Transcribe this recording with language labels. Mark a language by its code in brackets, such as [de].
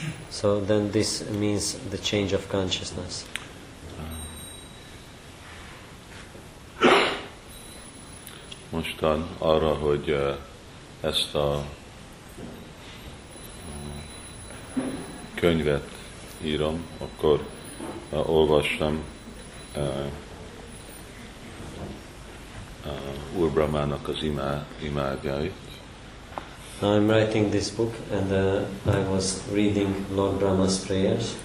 [en] So then this means the change of consciousness. [hu] Mostan arra, hogy ezt a könyvet írom, akkor olvassam Úr Brahmának az imádjait. [en] Now I'm writing this book and I was reading Lord Brahma's prayers.